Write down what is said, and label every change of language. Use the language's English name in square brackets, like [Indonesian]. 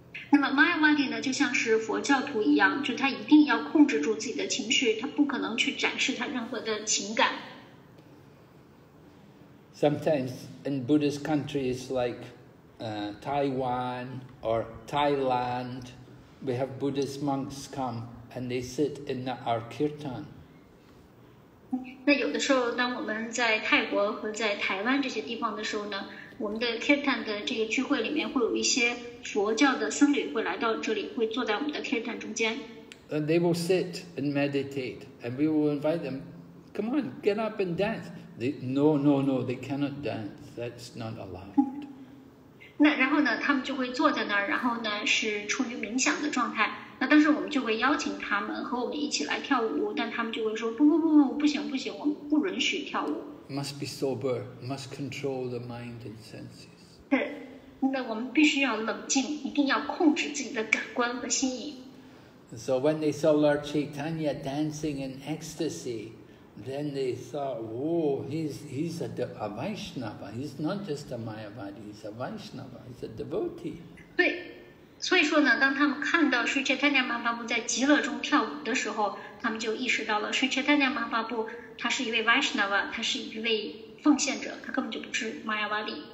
[Chinese] 那么 Mayavadi 呢，就像是佛教徒一样，就他一定要控制住自己的情绪，他不可能去展示他任何的情感。 [English] Sometimes in Buddhist countries like Taiwan or Thailand, we have Buddhist monks come and they sit in our kirtan. [Chinese] 那有的时候，当我们在泰国和在台湾这些地方的时候呢？我们的 kirtan 的这个聚会里面会有一些佛教的僧侣会来到这里，会坐在我们的 kirtan 中间。 [English] And they will sit and meditate, and we will invite them. Come on, get up and dance. No, they cannot dance. That's not allowed. [Chinese] 那然后呢，他们就会坐在那儿，然后呢是处于冥想的状态。那但是我们就会邀请他们和我们一起来跳舞，但他们就会说不，不行，我们不允许跳舞。 [English] Must be sober, must control the mind and senses. [Chinese] 那我们必须要冷静，一定要控制自己的感官和心意。 [English] So when they saw Lord Chaitanya dancing in ecstasy, then they thought, whoa, he's a Vaishnava. He's not just a Mayavadi, he's a Vaishnava, he's a devotee. [Chinese] 对，所以说呢，当他们看到 Sri Chaitanya Mahaprabhu 在极乐中跳舞的时候，他们就意识到了 Sri Chaitanya Mahaprabhu他是一位 Vaishnava， 他是一位奉献者，他根本就不是 Mayavadi。